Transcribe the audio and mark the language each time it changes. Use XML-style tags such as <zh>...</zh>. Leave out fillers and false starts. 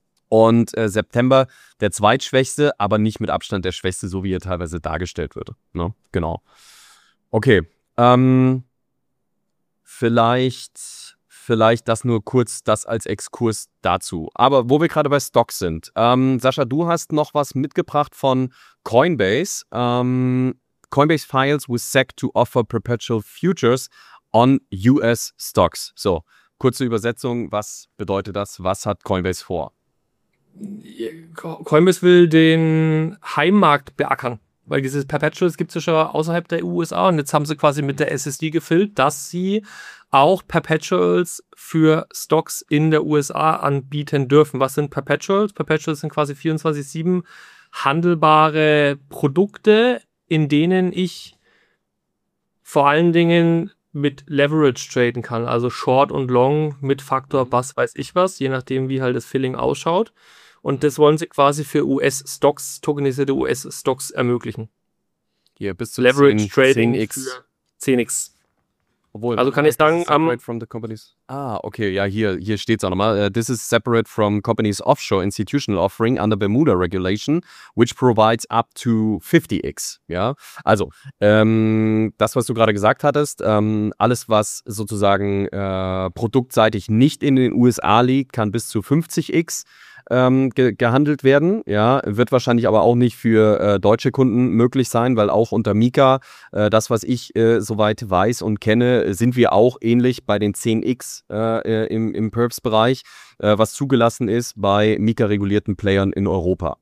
<de>Und September der zweitschwächste, aber nicht mit Abstand der schwächste, so wie er teilweise dargestellt wird. Ne? Genau. Okay. Vielleicht das nur kurz, das als Exkurs dazu. Aber wo wir gerade bei Stocks sind. Sascha, du hast noch was mitgebracht von Coinbase.</de> <en>Coinbase files with SEC to offer perpetual futures on US Stocks.</en> <de>So, kurze Übersetzung. Was bedeutet das? Was hat Coinbase vor? Coinbase will den Heimmarkt beackern, weil dieses Perpetuals gibt es ja schon außerhalb der USA und jetzt haben sie quasi mit der SSD gefüllt, dass sie auch Perpetuals für Stocks in der USA anbieten dürfen. Was sind Perpetuals? Perpetuals sind quasi 24/7 handelbare Produkte, in denen ich vor allen Dingen mit Leverage traden kann, also Short und Long mit Faktor was weiß ich was, je nachdem wie halt das Filling ausschaut. Und das wollen sie quasi für US-Stocks, tokenisierte US-Stocks ermöglichen. Hier bis zu Leverage 10, Trading 10x. Für 10x. Obwohl, also kann ich sagen,</de> <en>separate from the companies.</en> <de>Okay, ja, hier steht es auch nochmal.</de> <en>This is separate from companies offshore institutional offering under Bermuda Regulation, which provides up to 50x.</en> <de>Ja, also das, was du gerade gesagt hattest, alles, was sozusagen produktseitig nicht in den USA liegt, kann bis zu 50x gehandelt werden. Ja, wird wahrscheinlich aber auch nicht für deutsche Kunden möglich sein, weil auch unter Mika, das, was ich soweit weiß und kenne, sind wir auch ähnlich bei den 10x im Perps-Bereich, was zugelassen ist bei Mika-regulierten Playern in Europa.</de>